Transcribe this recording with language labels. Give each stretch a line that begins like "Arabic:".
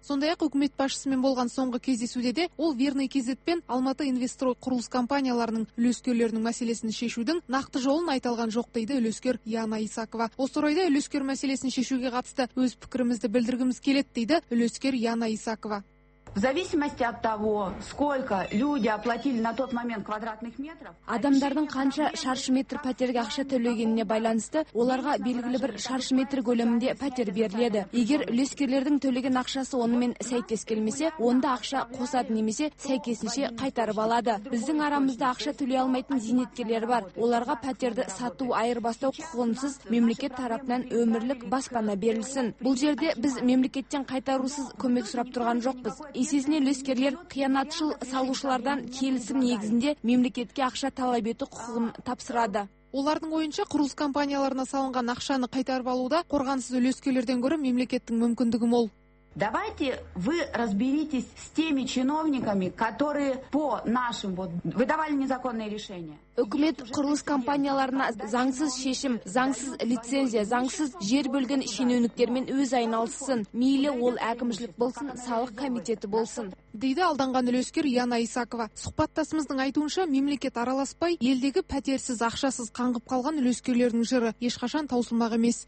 Kazakh: Сондай-ақ үкімет басшысымен болған соңғы кездесуде де ол Верный кезет пен Алматы Инвестстрой құрылыс компанияларының үлескерлерінің мәселесін шешудің нақты жолын айта алған жоқ, дейді үлескер Яна Исакова. Осы орайда үлескер мәселесін шешуге қатысты өз пікірімізді білдіргіміз келеді, дейді үлескер Яна Исакова.
Russian: В зависимости от того, сколько люди оплатили на тот момент квадратных метров,
Kazakh: адамдардың қанша шаршы метр пәтерге ақша төлегеніне байланысты, оларға белгілі бір шаршы метр көлемінде пәтер беріледі. Егер үлескерлердің төлеген ақшасы онымен сәйкес келмесе, онда ақша қосады немесе сәйкесінше қайтарып алады. Біздің арамызда ақша төлей алмайтын зейнеткерлер бар. Оларға пәтерді сату айырбастау құқығынсыз мемлекет тарапынан өмірлік баспана берілсін. Бұл жерде біз мемлекеттен қайтарусыз көмек сұрап тұрған жоқпыз. Есесіне үлескерлер қиянатшыл салушылардан келісім негізінде мемлекетке ақша талап ету құқығын тапсырады. Олардың ойынша құрылыс компанияларына салынған ақшаны қайтарып алуда қорғансыз үлескерлерден гөрі мемлекеттің мүмкіндігі мол.
Russian: Давайте вы разберитесь с теми чиновниками, которые по нашим вот выдавали незаконные решения.
Kazakh: Үкімет құрылыс компанияларына заңсыз шешім, заңсыз лицензия, заңсыз жер бөлген шенеуніктермен өз айналыссын. Мейлі ол әкімшілік болсын, салық комитеті болсын. Дейді алданған үлескер Яна Исакова. Сұхбаттасымыздың айтуынша, мемлекет араласпай, елдегі пәтерсіз, ақшасыз қаңғып қалған үлескерлердің жыры ешқашан таусылмақ емес.